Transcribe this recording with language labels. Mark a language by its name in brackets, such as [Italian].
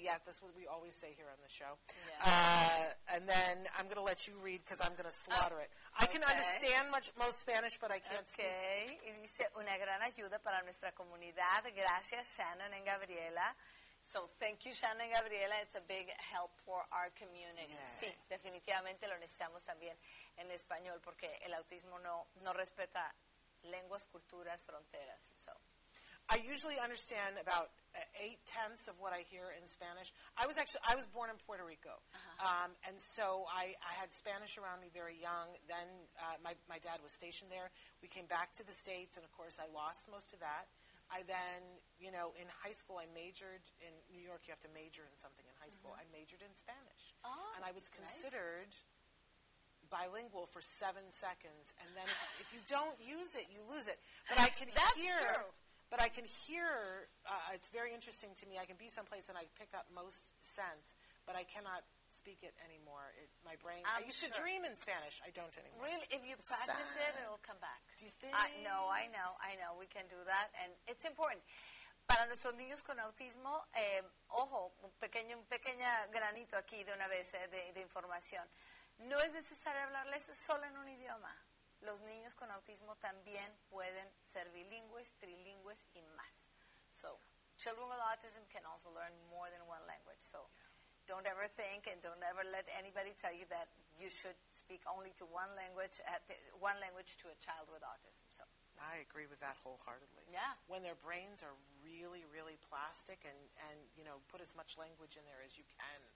[English] Yeah, that's what we always say here on the show. Yeah. And then I'm going to let you read because I'm going to slaughter it. I can understand most Spanish, but I can't speak. Okay. [Spanish] Y dice, una gran ayuda para nuestra comunidad. [English] Gracias, Shannon and Gabriela. So thank you, Shannon and Gabriela. It's a big help for our community. Yay. [Spanish] Sí, definitivamente lo necesitamos también en español porque el autismo no respeta lenguas, culturas, fronteras. [English] So I usually understand about 8/10 of what I hear in Spanish. I was born in Puerto Rico, and so I had Spanish around me very young. Then my dad was stationed there. We came back to the States, and of course I lost most of that. I then, you know, in high school I majored in New York. You have to major in something in high school. Mm-hmm. I majored in Spanish, and I was considered bilingual for 7 seconds. And then if you don't use it, you lose it. But I can hear. True. But I can hear, it's very interesting to me, I can be someplace and I pick up most sense, but I cannot speak it anymore. My brain, I'm I used sure. to dream in Spanish, I don't anymore. Really, if you practice it, it'll come back. Do you think? I know, we can do that, and it's important. [Spanish] Para nuestros niños con autismo, ojo, un pequeño granito aquí de una vez de información. No es necesario hablarles solo en un idioma. Los niños con autismo también pueden ser bilingües, trilingües, y más. [English] So, children with autism can also learn more than one language. So, don't ever think and don't ever let anybody tell you that you should speak only to one language to a child with autism. So, I agree with that wholeheartedly. Yeah. When their brains are really, really plastic and you know, put as much language in there as you can.